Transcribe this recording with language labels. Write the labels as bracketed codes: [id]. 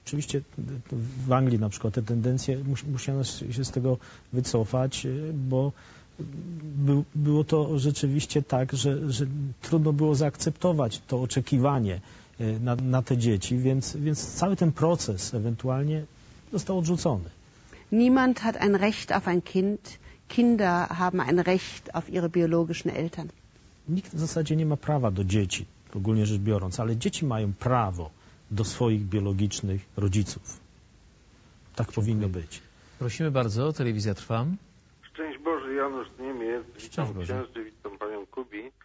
[pl] Oczywiście w Anglii na przykład te tendencje musiano się z tego wycofać, bo było to rzeczywiście tak, że trudno było zaakceptować to oczekiwanie na te dzieci, więc cały ten proces ewentualnie został odrzucony. [de] Niemand hat ein Recht auf ein Kind. Kinder haben ein Recht auf ihre biologischen Eltern. [pl] Nikt w zasadzie nie ma prawa do dzieci, ogólnie rzecz biorąc, ale dzieci mają prawo do swoich biologicznych rodziców. Tak powinno być. Prosimy bardzo, telewizja Trwam. Szczęść Boże, Janusz Niemiec. Szczęść Boże. Witam panią Kubi.